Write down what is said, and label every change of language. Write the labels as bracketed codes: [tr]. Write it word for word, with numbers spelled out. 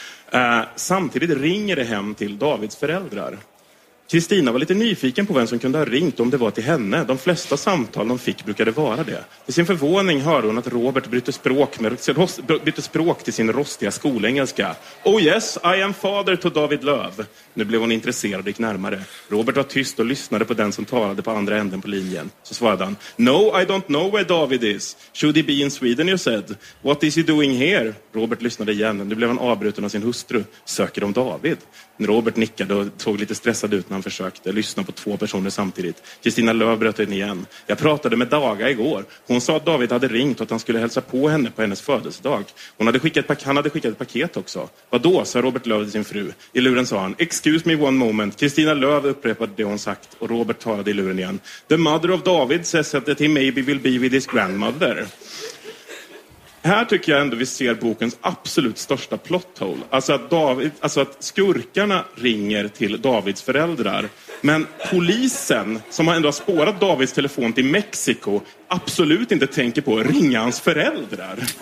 [sv] Eh, samtidigt ringer det hem till Davids föräldrar. Kristina var lite nyfiken på vem som kunde ha ringt om det var till henne. De flesta samtal de fick brukade vara det. Till sin förvåning hörde hon att Robert bytte språk, med, bytte språk till sin rostiga skolengelska. [en] Oh yes, I am father to David Löf. [sv] Nu blev hon intresserad och gick närmare. Robert var tyst och lyssnade på den som talade på andra änden på linjen. Så svarade han, [en] No, I don't know where David is. Should he be in Sweden, you said. What is he doing here? [sv] Robert lyssnade igen. Nu blev han avbruten av sin hustru. Söker de David? Robert nickade och såg lite stressad ut när han försökte lyssna på två personer samtidigt. Kristina Löf bröt in igen. Jag pratade med Daga igår. Hon sa att David hade ringt och att han skulle hälsa på henne på hennes födelsedag. Hon hade skickat, pak- han hade skickat ett paket också. Vadå, sa Robert Löf till sin fru. I luren sa han, [en] excuse me one moment. [sv] Kristina Löf upprepade det hon sagt och Robert talade i luren igen. [en] The mother of David says that he maybe will be with his grandmother. [sv] Här tycker jag ändå vi ser bokens absolut största plot hole. Alltså att, David, alltså att skurkarna ringer till Davids föräldrar. Men polisen, som ändå har spårat Davids telefon till Mexiko, absolut inte tänker på att ringa hans föräldrar.